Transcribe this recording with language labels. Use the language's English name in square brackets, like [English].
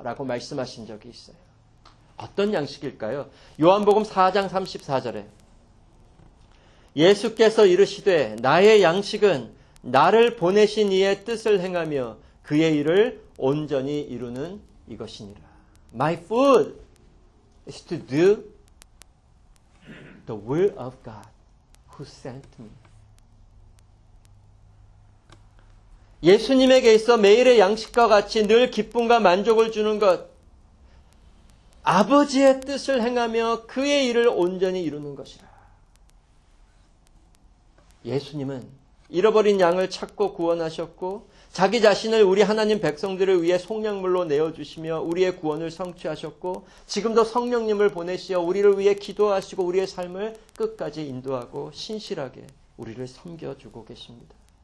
[Korean] 라고 말씀하신 적이 있어요. 어떤 양식일까요? 요한복음 4장 34절에 예수께서 이르시되 나의 양식은 나를 보내신 이의 뜻을 행하며 그의 일을 온전히 이루는 이것이니라. [English] My food is to do the will of God who sent me. [Korean] 예수님에게 있어 매일의 양식과 같이 늘 기쁨과 만족을 주는 것, 아버지의 뜻을 행하며 그의 일을 온전히 이루는 것이라. 예수님은 잃어버린 양을 찾고 구원하셨고 자기 자신을 우리 하나님 백성들을 위해 속량물로 내어주시며 우리의 구원을 성취하셨고 지금도 성령님을 보내시어 우리를 위해 기도하시고 우리의 삶을 끝까지 인도하고 신실하게 우리를 섬겨주고 계십니다.